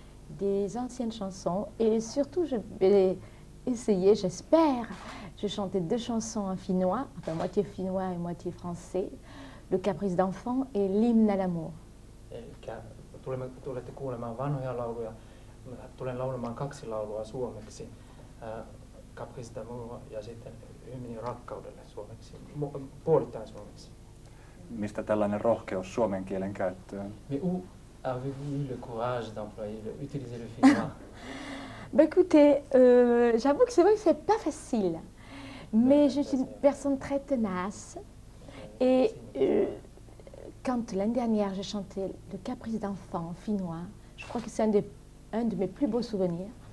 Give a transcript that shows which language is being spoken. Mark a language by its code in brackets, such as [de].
[fr] Des anciennes chansons et surtout je vais essayer, j'espère. Je chantais deux chansons en finnois, enfin moitié finnois et moitié français, Le Caprice d'enfant et L'hymne à l'amour. [fi] Tulette kuulemaan vanhoja lauluja. Tulen laulemaan kaksi laulua suomeksi. Caprice d'amour ja sitten Hymni rakkaudelle suomeksi, puolittain suomeksi. Mistä tällainen rohkeus suomen kielen käyttöön? [fr] Avez-vous eu le courage d'utiliser le finnois? Bah écoutez, j'avoue que c'est vrai que c'est pas facile. Mais je suis une personne très tenace. Et quand l'année dernière j'ai chanté Le Caprice d'enfant en finnois, je crois que c'est un de mes plus beaux souvenirs.